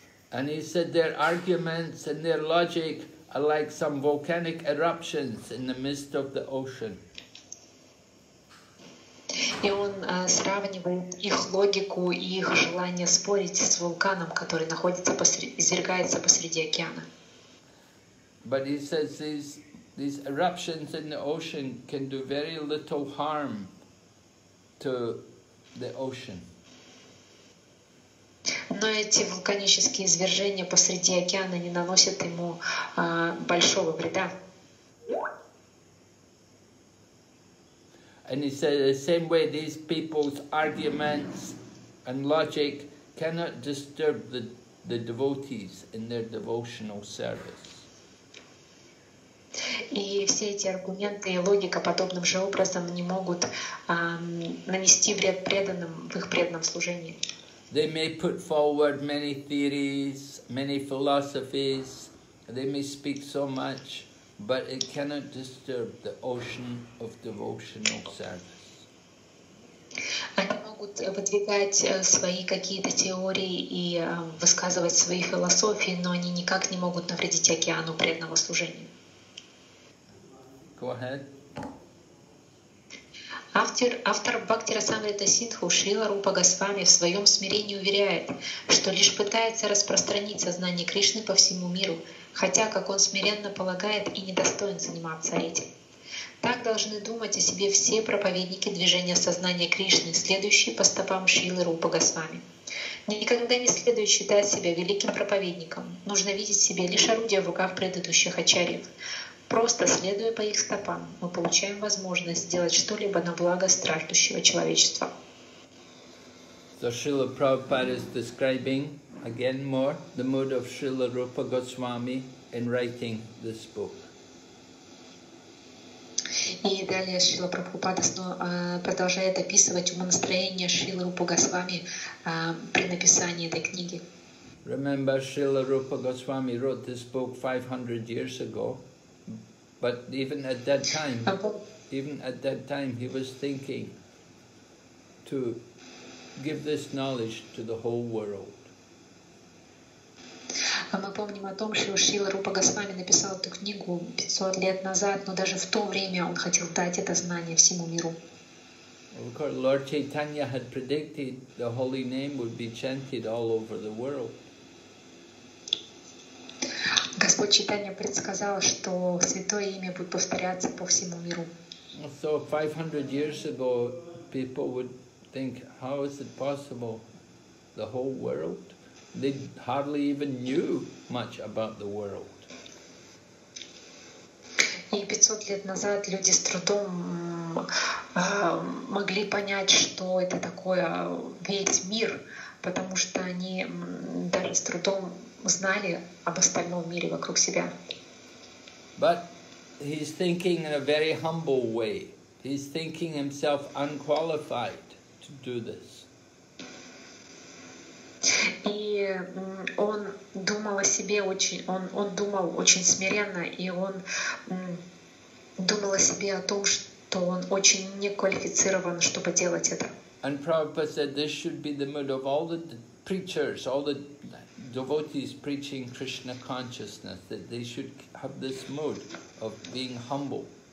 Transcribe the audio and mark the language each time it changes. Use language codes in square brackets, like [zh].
[en] And he said their arguments and their logic are like some volcanic eruptions in the midst of the ocean. [ru] И он сравнивает их логику и их желание спорить с вулканом, который находится извергается посреди океана. [en] But he says these eruptions in the ocean can do very little harm to the ocean. [ru] Но эти вулканические извержения посреди океана не наносят ему большого вреда. [en] And he said, the same way these people's arguments and logic cannot disturb the devotees in their devotional service. [ru] И все эти аргументы и логика подобным же образом не могут нанести вред преданным в их преданном служении. [en] They may put forward many theories, many philosophies, they may speak so much, but it cannot disturb the ocean of devotional service. [ru] Они могут выдвигать свои какие-то теории и высказывать свои философии, но они никак не могут навредить океану преданного служения. [en] Go ahead. [ru] Автор Бхакти Расамрита Синдху Шрила Рупа Госвами в своем смирении уверяет, что лишь пытается распространить сознание Кришны по всему миру, хотя, как он смиренно полагает, и недостоин заниматься этим. Так должны думать о себе все проповедники движения сознания Кришны, следующие по стопам Шрилы Рупа Госвами. Никогда не следует считать себя великим проповедником. Нужно видеть в себе лишь орудие в руках предыдущих ачарьев. Просто следуя по их стопам, мы получаем возможность сделать что-либо на благо страждущего человечества. [en] So Srila Prabhupada is describing again more the mood of Srila Rupa Goswami in writing this book. [ru] И далее Шрила Прабхупада продолжает описывать умонастроение Шрилы Рупа Госвами при написании этой книги. [en] Remember, Srila Rupa Goswami wrote this book 500 years ago. But even at that time, he was thinking to give this knowledge to the whole world. [ru] Мы помним о том, что Шрила Рупа Госвами написал эту книгу 500 лет назад, но даже в то время он хотел дать это знание всему миру. [en] Of course, Lord Chaitanya had predicted the holy name would be chanted all over the world. [ru] Господь Чайтанья предсказал, что Святое Имя будет повторяться по всему миру. [en] So 500 years ago, people would think, how is it possible? The whole world? They hardly even knew much about the world. [ru] И 500 лет назад люди с трудом могли понять, что это такое весь мир, потому что они даже с трудом узнали об остальном мире вокруг себя. [en] But he's thinking in a very humble way. He's thinking himself unqualified to do this. [ru] И он думал о себе очень, он думал очень смиренно, и он думал о себе о том, что он очень неквалифицирован, чтобы делать это. [en] And Prabhupada said this should be the mood of all the preachers, all the devotees preaching Krishna consciousness, that they should have this mood of being humble.